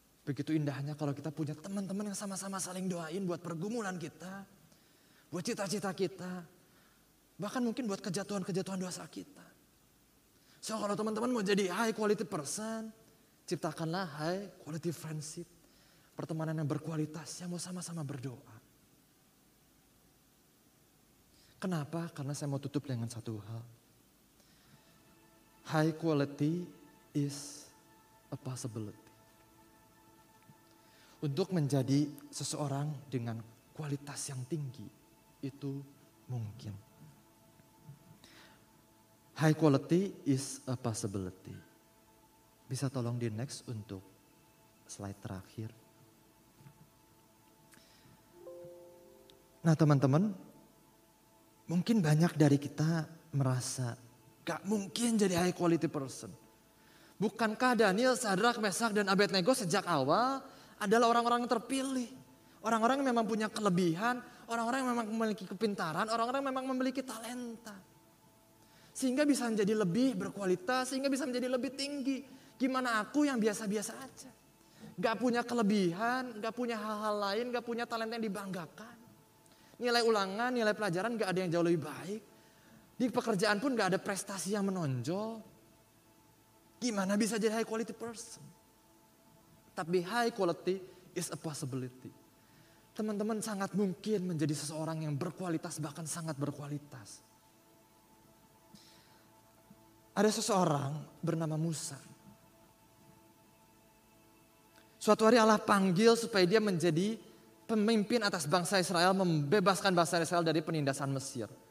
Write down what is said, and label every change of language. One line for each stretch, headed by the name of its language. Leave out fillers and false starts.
Indonesian: Begitu indahnya kalau kita punya teman-teman yang sama-sama saling doain buat pergumulan kita, buat cita-cita kita, bahkan mungkin buat kejatuhan-kejatuhan dosa kita. So kalau teman-teman mau jadi
English: high quality person,
Indonesian: ciptakanlah
English: high quality friendship,
Indonesian: pertemanan yang berkualitas, yang mau sama-sama berdoa. Kenapa? Karena saya mau tutup dengan satu hal.
English: High quality is a possibility.
Indonesian: Untuk menjadi seseorang dengan kualitas yang tinggi, itu mungkin.
English: High quality is a possibility.
Indonesian: Bisa tolong di next untuk slide terakhir. Nah teman-teman, mungkin banyak dari kita merasa gak mungkin jadi
English: high quality person.
Indonesian: Bukankah Daniel, Sadrak, Mesak, dan Abednego sejak awal adalah orang-orang yang terpilih. Orang-orang yang memang punya kelebihan, orang-orang yang memang memiliki kepintaran, orang-orang yang memang memiliki talenta. Sehingga bisa menjadi lebih berkualitas, sehingga bisa menjadi lebih tinggi. Gimana aku yang biasa-biasa aja. Gak punya kelebihan, gak punya hal-hal lain, gak punya talenta yang dibanggakan. Nilai ulangan, nilai pelajaran gak ada yang jauh lebih baik. Di pekerjaan pun gak ada prestasi yang menonjol. Gimana bisa jadi
English: high quality person?
Indonesian: Tapi
English: high quality is a possibility.
Indonesian: Teman-teman sangat mungkin menjadi seseorang yang berkualitas, bahkan sangat berkualitas. Ada seseorang bernama Musa. Suatu hari Allah panggil supaya dia menjadi pemimpin atas bangsa Israel, membebaskan bangsa Israel dari penindasan Mesir.